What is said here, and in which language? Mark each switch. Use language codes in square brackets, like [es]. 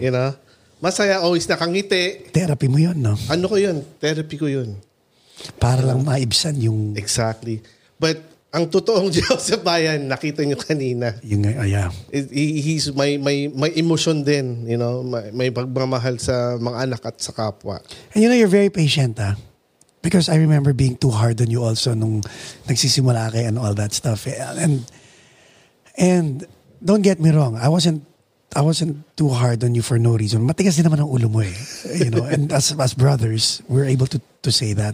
[en] You know? [tl] Masaya, always nakangiti. Therapy mo yun, no? Ano ko yun? Therapy ko yun. Para lang maibsan yung... Exactly. But ang totoong Joseph Bayan, nakita nyo kanina. Yung, yeah. He's may emotion din, [en] you know? [tl] May pagmamahal sa mga anak at sa kapwa. [en] And you know, you're very patient, ha? Because I remember being too hard on you also [tl] nung nagsisimula kayo [en] and all that stuff. And don't get me wrong, I wasn't too hard on you for no reason. [tl] Matigas din naman ang ulo mo eh. [en] You know, and as brothers, we're able to say that.